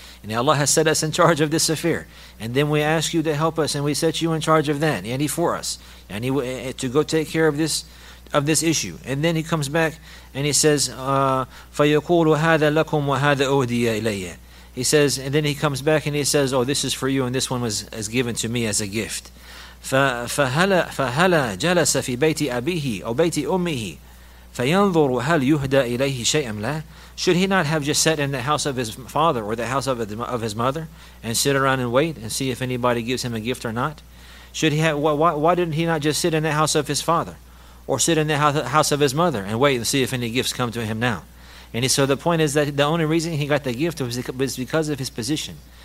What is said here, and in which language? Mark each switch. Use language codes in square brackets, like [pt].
[en] And Allah has set us in charge of this affair. And then we ask you to help us, and we set you in charge of that, yani for us, yani to go take care of this issue. And then he comes back and he says, [ar] فَيَقُولُ هَذَا لَكُمْ وَهَذَا أُهْدِيَ إِلَيَّ. [en] He says, and then he comes back and he says, "Oh, this is for you, and this one was given to me as a gift." [ar] فَهَلَا جَلَسَ فِي بَيْتِ أَبِيهِ أَوْ بَيْتِ أُمِّهِ فينظر هل يهدى إليه شيء أم لا. [en] Should he not have just sat in the house of his father or the house of his mother and sit around and wait and see if anybody gives him a gift or not? Should he have, why didn't he not just sit in the house of his father or sit in the house of his mother and wait and see if any gifts come to him now? And so the point is that the only reason he got the gift was because of his position.